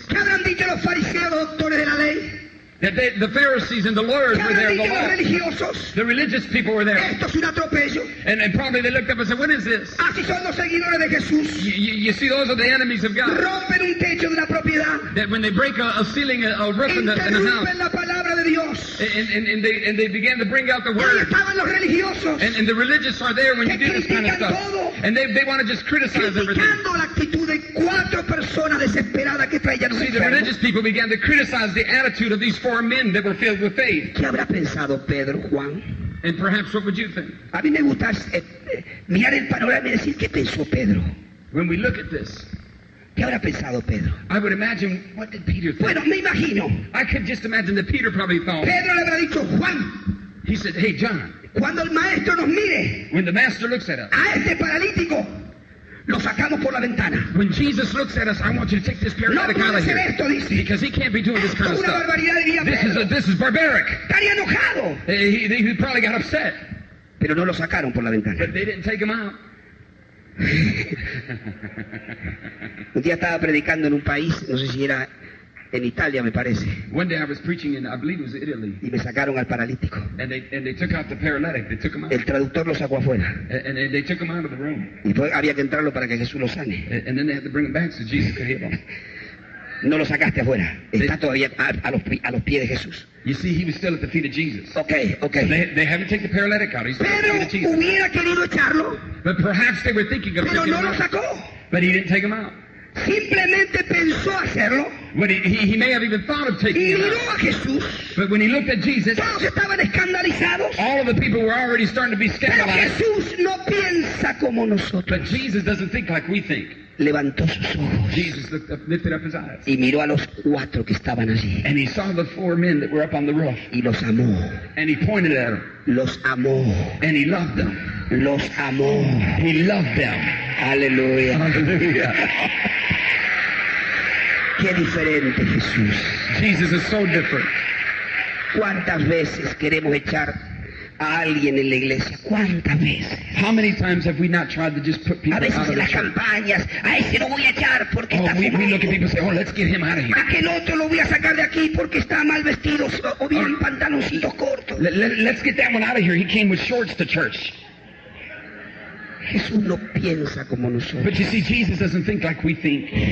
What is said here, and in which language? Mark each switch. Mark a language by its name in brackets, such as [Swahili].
[Spanish] ¿Qué habrán dicho los fariseos, los doctores de la ley? [English] That they, the Pharisees and the lawyers were there. [Spanish] Los religiosos. [English] The religious people were there. [Spanish] Esto es un atropello. [English] And probably they looked up and said, "What is this?" [Spanish] Así son los seguidores de Jesús. [English] You see, those are the enemies of God. [Spanish] Rompen un techo de una propiedad. [English] That when they break a ceiling, a roof in a house. [Spanish] La palabra de Dios. [English] And they began to bring out the word. [Spanish] Y estaban los religiosos. [English] And the religious are there when you do this kind of stuff. [Spanish] Todo. [English] And they want to just criticize everything. [Spanish] La actitud de cuatro personas desesperadas que traían. [English] See, the religious people began to criticize the attitude of these four men that were filled with faith. [Spanish] ¿Qué habrá pensado Pedro, Juan? [English] And perhaps what would you think? [Spanish] A mí me gusta mirar el panorama y decir, ¿qué pensó Pedro? [English] When we look at this, [Spanish] ¿qué habrá pensado Pedro? [English] I would imagine, what did Peter think? [Spanish] Bueno, me imagino. [English] I could just imagine that Peter probably thought, [Spanish] Pedro le habrá dicho, Juan. [English] He said, hey, John. [Spanish] Cuando el maestro nos mire, [English] when the master looks at us, [Spanish] a este paralítico lo sacamos por la ventana. [English] When Jesus looks at us, I want you to take this paralytic out of here. [Spanish] Esto, dice, [English] because he can't be doing this kind of stuff. This is barbaric. [Spanish] Estaría enojado. [English] He probably got upset. [Spanish] Pero no lo sacaron por la ventana. [English] But they didn't take him out. [Spanish] Un día estaba predicando en un país, no sé si era en Italia, me parece. [English] One day I was preaching in, I believe it was Italy. [Spanish] Y me sacaron al paralítico. [English] And they took out the paralytic. They took him out. [Spanish] El traductor lo sacó afuera. [English] And they took him out of the room. [Spanish] Y pues había que entrarlo para que Jesús lo sane. [English] And then they had to bring him back so Jesus could heal him. [Spanish] No lo sacaste afuera. Está todavía a los pies de Jesús. [English] You see, he was still at the feet of Jesus. Okay. So they haven't taken the paralytic out. He's [Spanish] Pero [English] at the feet of [Spanish] Jesus. Hubiera querido echarlo. [English] But perhaps they were thinking of [Spanish] Pero [English] taking [Spanish] no [English] him [Spanish] lo [English] out. [Spanish] Sacó. [English] But he didn't take him out. [Spanish] Simplemente pensó hacerlo. [English] When he may have even thought of taking [Spanish] miró [English] him out. [Spanish] A Jesús, [English] but when he looked at Jesus, [Spanish] todos estaban escandalizados, [English] all of the people were already starting to be scandalized. [Spanish] Pero Jesús no piensa como nosotros. [English] But Jesus doesn't think like we think. [Spanish] Levantó sus ojos. [English] Jesus lifted up his eyes. [Spanish] Y miró a los cuatro que estaban allí. [English] And he saw the four men that were up on the roof. [Spanish] Y los amó. [English] And he pointed at them. [Spanish] Los amó. [English] And he loved them. [Spanish] Los amó. [English] He loved them. [Spanish] Aleluya. Aleluya. Qué diferente Jesús. [English] Jesus is so different. [Spanish] ¿Cuántas veces queremos echar a alguien en la iglesia? ¿Cuántas veces? [English] How many times have we not tried to just put people out of the church? [Spanish] A veces las campañas, a ese lo voy a echar porque está fumando. [English] We look at people and say, oh, let's get him out of here. [Spanish] Aquel otro lo voy a sacar de aquí porque está mal vestido o bien pantaloncillos cortos. [English] Let's get that one out of here. He came with shorts to church. [Spanish] Jesús no piensa como nosotros. [English] But you see, Jesus doesn't think like we think.